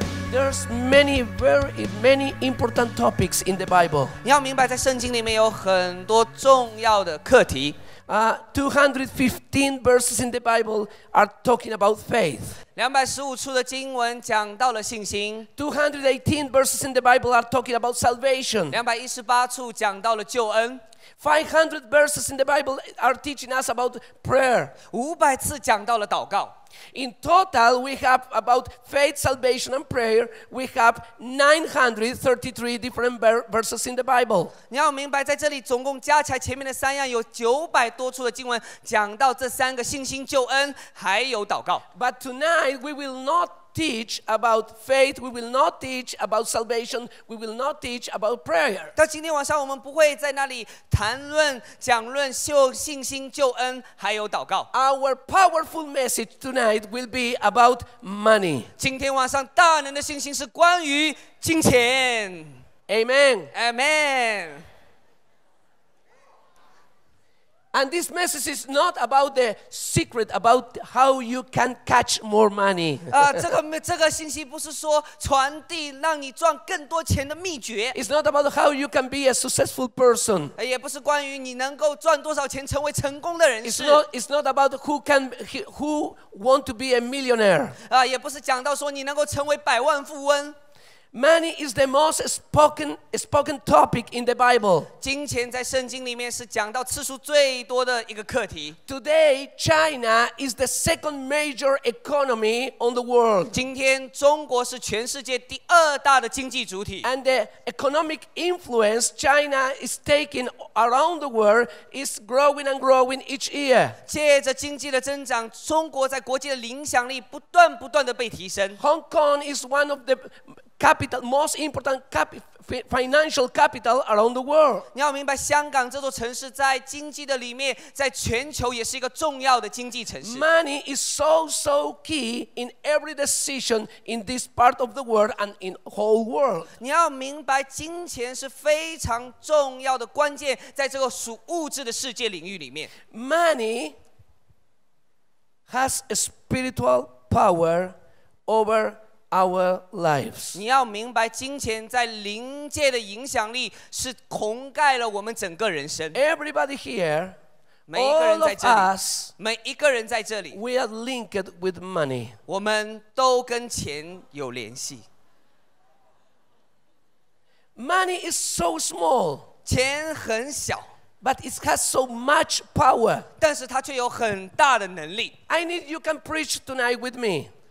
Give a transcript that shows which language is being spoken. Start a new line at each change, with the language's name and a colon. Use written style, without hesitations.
English: there's many, very, many important topics in the Bible.
Chinese: 你要明白，在圣经里面有很多重要的课题。
English: 215 verses in the Bible are talking about faith.
Chinese: 215处的经文讲到了信心。
English: 218 verses in the Bible are talking about salvation.
Chinese: 218处讲到了救恩。
English: 500 verses in the Bible are teaching us about prayer.
Chinese: 500次讲到了祷告。
English: In total, we have about faith, salvation, and prayer. We have 933 different verses in the Bible.
Chinese: 你要明白，在这里总共加起来前面的三样，有900多处的经文讲到这三个信心、救恩，还有祷告。
English: But tonight we will not teach about faith. We will not teach about salvation. We will not teach about prayer.
Chinese: 到今天晚上，我们不会在那里谈论、讲论秀信心、救恩，还有祷告。
English: Our powerful message tonight will be about money.
Chinese: 今天晚上大能的信心是关于金钱。
English: Amen. Amen. And this message is not about the secret, about how you can catch more money.
Chinese: 这个信息不是说传递让你赚更多钱的秘诀。
English: It's not about how you can be a successful person.
Chinese: 也不是关于你能够赚多少钱成为成功的人士。
English: It's not about who want to be a millionaire.
Chinese: 也不是讲到说你能够成为百万富翁。
English: Money is the most spoken topic in the Bible.
Chinese: 金钱在圣经里面是讲到次数最多的一个课题。
English: Today, China is the second major economy on the world.
Chinese: 今天中国是全世界第二大的经济主体。
English: And the economic influence China is taking around the world is growing and growing each year.
Chinese: 借着经济的增长，中国在国际的影响力不断不断的被提升。
English: Hong Kong is one of the capital, most important financial capital around the world.
Chinese: 你要明白，香港这座城市在经济的里面，在全球也是一个重要的经济城市。
English: Money is so key in every decision in this part of the world and in whole world.
Chinese: 你要明白，金钱是非常重要的关键，在这个属物质的世界领域里面。
English: Money has a spiritual power over. Our lives.
Chinese: 你要明白，金钱在灵界的影响力是涵盖了我们整个人生。
English: Everybody here,
Chinese: 每一个人在这里
English: all of us,
Chinese: 每一个人在这里
English: we are linked with money.
Chinese: 我们都跟钱有联系。
English: Money is so small.
Chinese: 钱很小。
English: But it has so much power.
Chinese: 但是它却有很大的能力。
English: I need you can preach tonight with me.